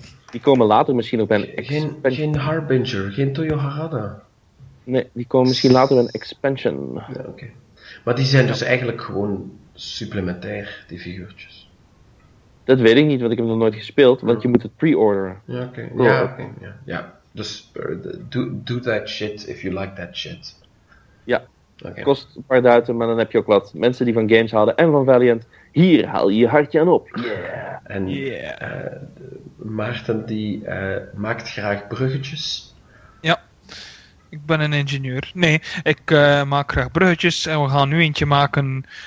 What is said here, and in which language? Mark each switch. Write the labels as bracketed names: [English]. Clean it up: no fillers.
[Dutch] Die komen later misschien ook bij een expansion. Geen Harbinger, geen Toyo Harada. Nee, die komen misschien later bij een expansion. Ja, oké. Maar die zijn dus eigenlijk gewoon supplementair, die figuurtjes. Dat weet ik niet, want ik heb nog nooit gespeeld. Want je moet het pre-orderen. Ja, oké. Ja. [English] Dus do that shit if you like that shit. [Dutch] Ja. Okay. Kost een paar duiten, maar dan heb je ook wat mensen die van games houden en van Valiant. Hier haal je hartje aan op. Yeah. En Maarten die maakt graag bruggetjes. Ja, ik ben een ingenieur. Nee, ik maak graag bruggetjes en we gaan nu eentje maken.